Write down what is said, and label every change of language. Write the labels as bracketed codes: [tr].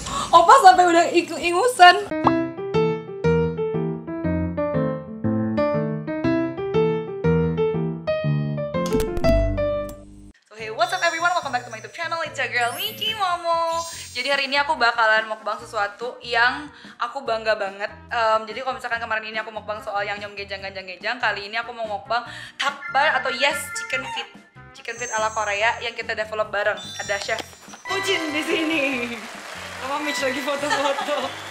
[id] Opa sampai udah ingusan. [en] So, hey, what's up everyone? Welcome back to my YouTube channel. It's your girl Michi Momo. [id] Jadi hari ini aku bakalan mukbang sesuatu yang aku bangga banget. Jadi kalau misalkan kemarin ini aku mukbang soal yang nyom gejang ganjang gejang, kali ini aku mau mukbang takbar atau [en] yes chicken feet. [id] Chicken feet ala Korea yang kita develop bareng. Ada chef Pujin di sini. Sama Mitch lagi foto-foto.